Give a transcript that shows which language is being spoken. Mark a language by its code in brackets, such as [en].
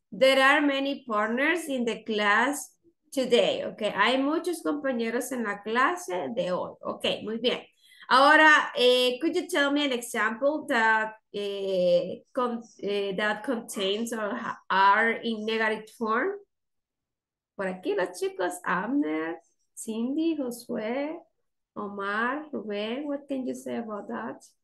[en] There are many partners in the class today. [es] Okay, hay muchos compañeros en la clase de hoy. Okay, muy bien. Ahora, [en] could you tell me an example that that contains or are in negative form? [es] Por aquí los chicos, [en] Abner, Cindy, Josué, Omar, Rubén, what can you say about that?